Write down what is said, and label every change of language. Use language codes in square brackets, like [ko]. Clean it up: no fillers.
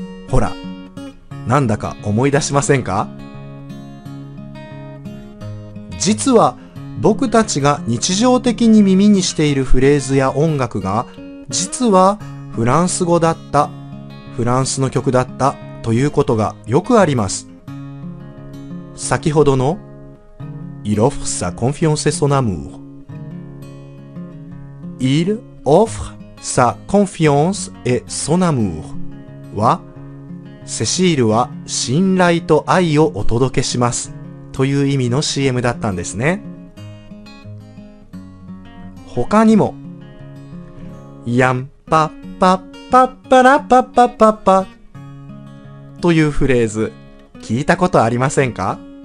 [ja] ほら、なんだか思い出しませんか？実は僕たちが日常的に耳にしているフレーズや音楽が、実はフランス語だった、フランスの曲だったということがよくあります。先ほどの [fr] Il offre sa confiance et son amour。 Il offre sa confiance et son amour [ja] は、セシールは信頼と愛をお届けしますという意味の CM だったんですね。他にも、ヤンパッパッパッパラパッパッパッパというフレーズ、聞いたことありませんか？